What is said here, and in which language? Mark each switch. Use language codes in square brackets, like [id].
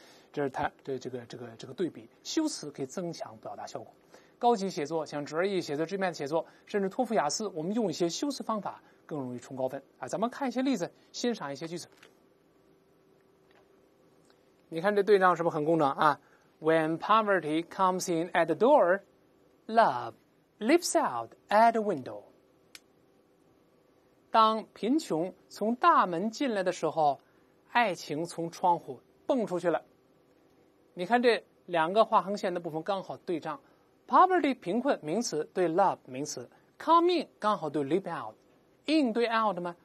[zh] 这是它对这个对比修辞可以增强表达效果。高级写作像 GRE 写作、 GMAT 写作，甚至托福雅思，我们用一些修辞方法更容易冲高分啊。咱们看一些例子，欣赏一些句子。你看这对仗是不是很工整啊？ [en] When poverty comes in at the door, love leaps out at the window. [zh] 当贫穷从大门进来的时候，爱情从窗户蹦出去了。你看这两个划横线的部分刚好对仗， poverty 贫困名词对 love 名词， come in 刚好对 leap out， in 对 out 吗？